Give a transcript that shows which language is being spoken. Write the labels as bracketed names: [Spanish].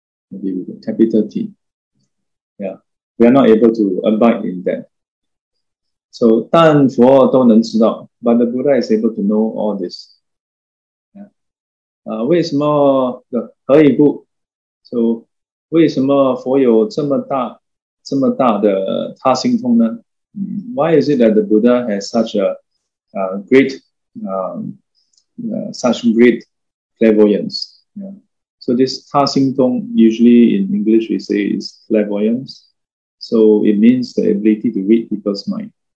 [English] Maybe with a capital T. Yeah, we are not able to abide in that. So, [Chinese] 但佛都能知道, [English] but the Buddha is able to know all this. [Chinese] 为什么的何以故？ So, 为什么佛有这么大的他心通呢？ [English] Why is it that the Buddha has such a great clairvoyance? Yeah. So this 他心通 usually in English we say is clairvoyance. So it means the ability to read people's mind.